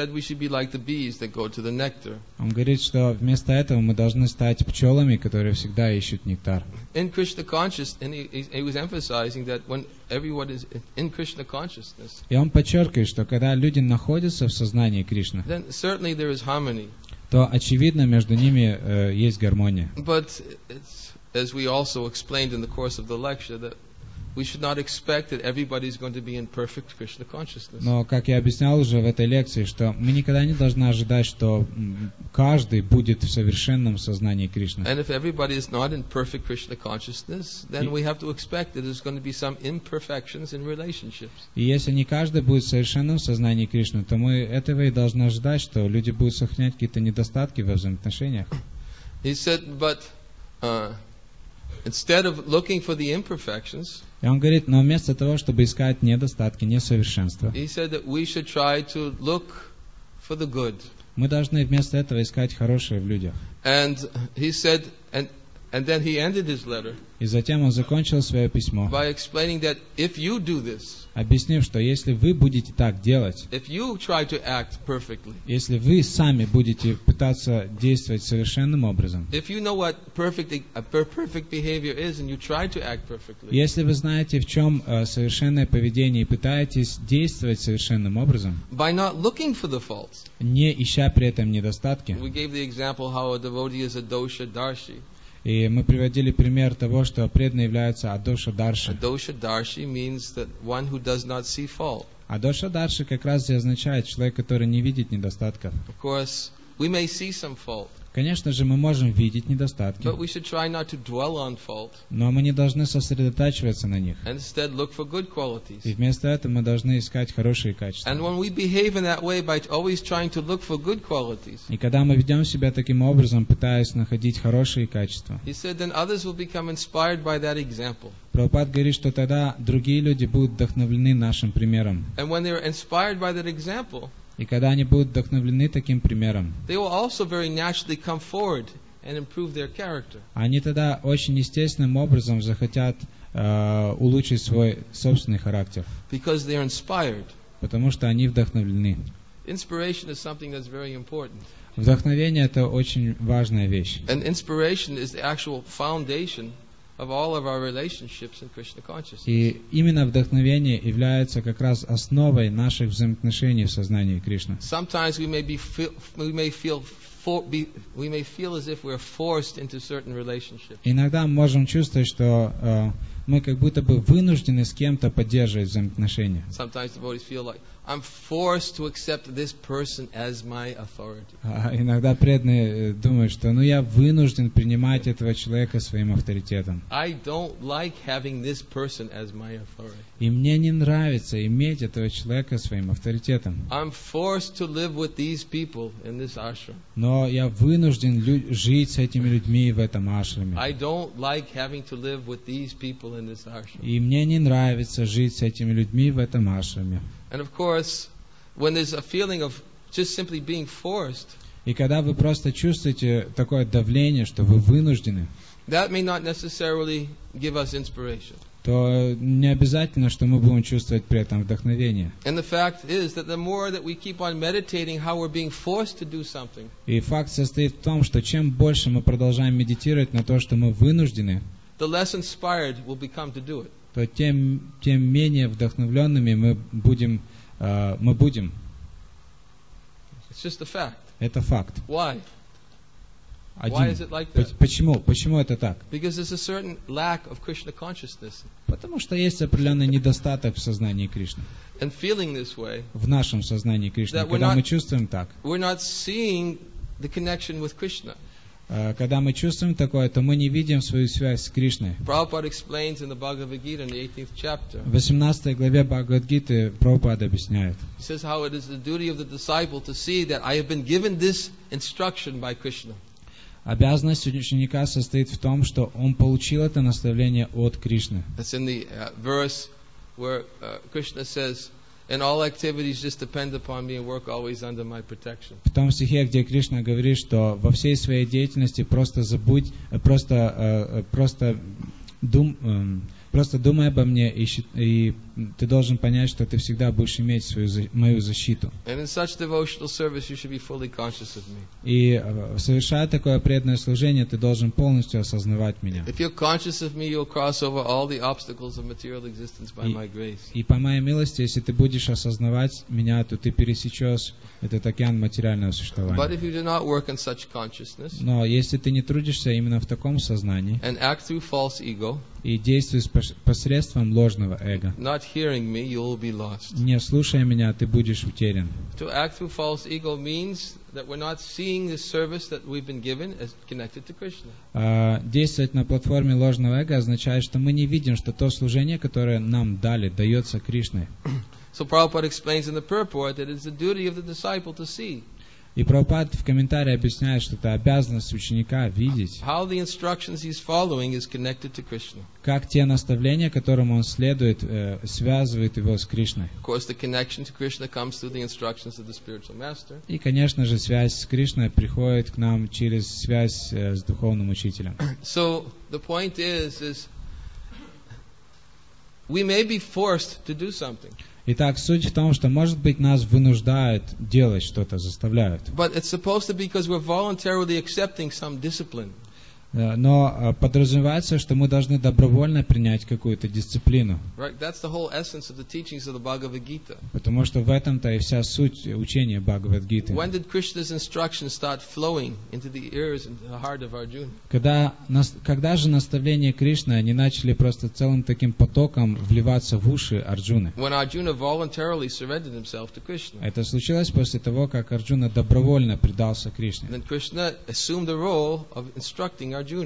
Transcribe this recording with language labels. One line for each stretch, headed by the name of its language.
Russian: Он говорит, что вместо этого мы должны стать пчелами, которые всегда ищут нектар.
English: In Krishna consciousness, and he was emphasizing that when everyone is in Krishna consciousness.
Russian: И он подчеркивает, что когда люди находятся в сознании Кришны.
English: Then certainly there is harmony.
Russian: То очевидно между ними есть гармония.
English: But it's, as we also explained in the course of the lecture, that we should not expect that everybody is going to be in perfect Krishna consciousness.
Russian: Но как я объяснял уже в этой лекции, что мы никогда не должны ожидать, что каждый будет в совершенном сознании Кришны.
English: And if everybody is not in perfect Krishna consciousness, then we have to expect that there's going to be some imperfections in relationships.
Russian: И если не каждый будет в совершенном сознании Кришны, то мы этого и должны ожидать, что люди будут сохранять какие-то недостатки во взаимоотношениях.
English: He said, but instead of looking for the imperfections,
Russian: и он говорит, но вместо того, чтобы искать недостатки, несовершенства,
English: he said that we should try to look for the good.
Russian: Мы должны вместо этого искать хорошее в людях.
English: And he said, and then he ended his letter.
Russian: И затем он закончил свое письмо.
English: By explaining that if you do this,
Russian: объяснив, что если вы будете так делать,
English: if you try to act perfectly,
Russian: если вы сами будете пытаться действовать совершенным образом,
English: if you know what perfect behavior is and you try to act perfectly,
Russian: если вы знаете, в чем совершенное поведение и пытаетесь действовать совершенным образом,
English: by not looking for the faults,
Russian: не ища при этом недостатки,
English: we gave the example how a devotee is a dosha darshi.
Russian: И мы приводили пример того, что преданный является Адоша Дарши.
English: Адоша Дарши means that one who does not see fault.
Russian: Адоша Дарши как раз и означает человек, который не видит недостатков.
English: Of course, We may see some fault.
Russian: Конечно же, мы можем видеть недостатки.
English: But we should try not to dwell on fault.
Russian: Но мы не должны сосредотачиваться на них.
English: And instead look for good qualities.
Russian: И вместо этого мы должны искать хорошие качества.
English: And when we behave in that way by always trying to look for good qualities.
Russian: И когда мы ведем себя таким образом, пытаясь находить хорошие качества.
English: He said then others will become inspired by that example.
Russian: Прабхупад говорит, что тогда другие люди будут вдохновлены нашим примером.
English: And when they are inspired by that example.
Russian: И когда они будут вдохновлены таким примером,
English: they will also very naturally come forward and improve their character.
Russian: Они тогда очень естественным образом захотят улучшить свой собственный характер.
English: Because they are inspired.
Russian: Потому что они вдохновлены.
English: Inspiration is something that's very important.
Russian: Вдохновение — это очень важная вещь.
English: And inspiration is the actual foundation of all of our relationships in Krishna consciousness.
Russian: И именно вдохновение является как раз основой наших взаимоотношений в сознании Кришны.
English: Sometimes we may feel as if we're forced into certain relationships.
Russian: Иногда мы можем чувствовать, что мы как будто бы вынуждены с кем-то поддерживать взаимоотношения.
English: Sometimes devotees feel like I'm forced to accept this person as my authority.
Russian: Иногда преданные думают, что я вынужден принимать этого человека своим авторитетом.
English: I don't like having this person as my authority.
Russian: И мне не нравится иметь этого человека своим авторитетом.
English: I'm forced to live with these people in this ashram.
Russian: Но я вынужден жить с этими людьми в этом ашраме.
English: I don't like having to live with these people in this ashram.
Russian: И мне не нравится жить с этими людьми в этом ашраме.
English: And of course, when there's a feeling of just simply being forced,
Russian: и когда вы просто чувствуете такое давление, что вы вынуждены,
English: that may not necessarily give us inspiration.
Russian: То не обязательно, что мы будем чувствовать при этом вдохновение.
English: And the fact is that the more that we keep on meditating how we're being forced to do something,
Russian: и факт состоит в том, что чем больше мы продолжаем медитировать на то, что мы вынуждены,
English: the less inspired we'll become to do it.
Russian: То тем менее вдохновленными мы будем.
English: It's just a fact.
Russian: Это факт.
English: Why?
Russian: Один.
English: Why is it like that?
Russian: Почему это так?
English: Because there's a certain lack of Krishna consciousness.
Russian: Потому что есть определенный недостаток в сознании Кришны.
English: And feeling this way,
Russian: в нашем сознании Кришны, когда мы чувствуем так.
English: We're not seeing the connection with Krishna.
Russian: Когда мы чувствуем такое, то мы не видим свою связь с Кришной.
English: Prabhupada explains in the Bhagavad Gita in the 18th chapter.
Russian: В 18 главе Бхагавад Гиты Прабхупада объясняет.
English: He says how it is the duty of the disciple to see that I have been given this instruction by Krishna.
Russian: Обязанность ученика состоит в том, что он получил это наставление от Кришны.
English: That's in the verse where Krishna says, and all activities just depend upon me and work always under my protection.
Russian: В том стихе, где Кришна говорит, что во всей своей деятельности просто думай обо мне, и ты должен понять, что ты всегда будешь иметь мою защиту.
English: And in such devotional service, you should be fully conscious of me.
Russian: И совершая такое преданное служение, ты должен полностью осознавать меня.
English: If you're conscious of me, you'll cross over all the obstacles of material existence by my grace.
Russian: И по моей милости, если ты будешь осознавать меня, то ты пересечешь этот океан материального существования.
English: But if you do not work in such consciousness,
Russian: но если ты не трудишься именно в таком сознании,
English: and act through false ego,
Russian: и действуй посредством ложного эго.
English: Not hearing me, you will be lost.
Russian: Не слушая меня, ты будешь утерян.
English: To act through false ego means that we're not seeing the service that we've been given as connected to Krishna.
Russian: Действовать на платформе ложного эго означает, что мы не видим, что то служение, которое нам дали, дается Кришне.
English: So Prabhupada explains in the purport that it is the duty of the disciple to see.
Russian: И Прабхупад в комментарии объясняет, что это обязанность ученика видеть,
English: how the instructions he's following is connected to Krishna.
Russian: Как те наставления, которым он следует, связывают его с Кришной.
English: Of course, the connection to Krishna comes through the instructions of the spiritual master.
Russian: И, конечно же, связь с Кришной приходит к нам через связь с духовным учителем.
English: So the point is we may be forced to do something.
Russian: Итак, суть в том, что, может быть, нас вынуждают делать что-то, заставляют.
English: But it's supposed to be because we're voluntarily accepting some discipline.
Russian: Но подразумевается, что мы должны добровольно принять какую-то дисциплину.
English: Right, that's the whole essence of the teachings of the Bhagavad Gita.
Russian: Потому что в этом-то и вся суть учения Бхагавад Гиты.
English: When did Krishna's instructions start flowing into the ears and the heart of Arjuna?
Russian: Когда же наставления Кришны они начали просто целым таким потоком вливаться в уши Арджуны?
English: When Arjuna voluntarily surrendered himself to Krishna.
Russian: Это случилось после того, как Арджуна добровольно предался Кришне.
English: Then Krishna assumed the role of instructing Arjuna.